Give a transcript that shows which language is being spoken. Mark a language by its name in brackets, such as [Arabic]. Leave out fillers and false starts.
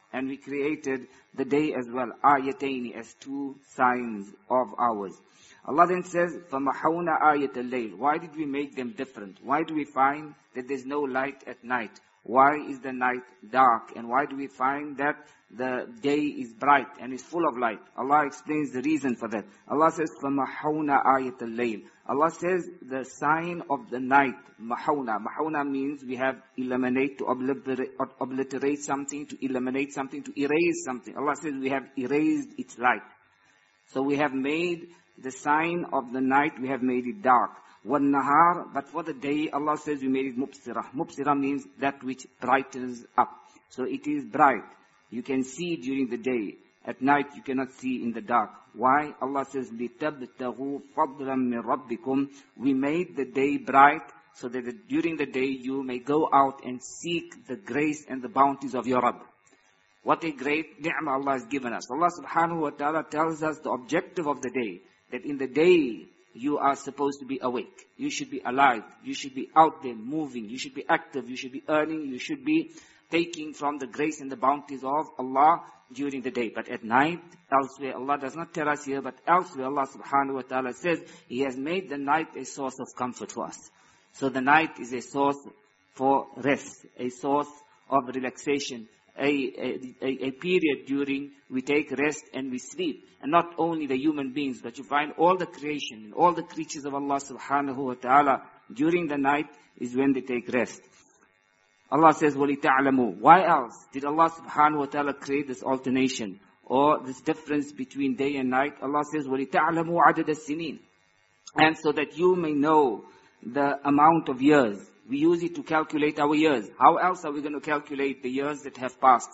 [English] And we created the day as well, ayatayni, as two signs of ours. Allah then says, [Arabic] فَمَحَوْنَا آيَةَ اللَّيْلِ. [English] Why did we make them different? Why do we find that there's no light at night? Why is the night dark? And why do we find that the day is bright and is full of light? Allah explains the reason for that. Allah says, [Arabic] فَمَحَوْنَا آيَةَ اللَّيْلِ. [English] Allah says, the sign of the night, mahawna. Mahawna means we have eliminate, to obliterate something, to eliminate something, to erase something. Allah says we have erased its light. So we have made the sign of the night, we have made it dark. Wal-nahar, but for the day, Allah says we made it mubsira. Mubsira means that which brightens up. So it is bright. You can see during the day. At night, you cannot see in the dark. Why? Allah says, [Arabic] لِتَبْتَغُوا فَضْلًا مِنْ رَبِّكُمْ. [English] We made the day bright, so that during the day, you may go out and seek the grace and the bounties of your Rabb. What a great ni'mah Allah has given us. Allah subhanahu wa ta'ala tells us the objective of the day, that in the day, you are supposed to be awake. You should be alive. You should be out there moving. You should be active. You should be earning. You should be taking from the grace and the bounties of Allah during the day. But at night, elsewhere, Allah does not tell us here, but elsewhere Allah subhanahu wa ta'ala says, He has made the night a source of comfort for us. So the night is a source for rest, a source of relaxation, a period during we take rest and we sleep. And not only the human beings, but you find all the creation, all the creatures of Allah subhanahu wa ta'ala during the night is when they take rest. Allah says, [Arabic] وَلِتَعْلَمُوا. [English] Why else did Allah subhanahu wa ta'ala create this alternation or this difference between day and night? Allah says, [Arabic] وَلِتَعْلَمُوا عَدَدَ السِّنِينَ. [English] And so that you may know the amount of years. We use it to calculate our years. How else are we going to calculate the years that have passed?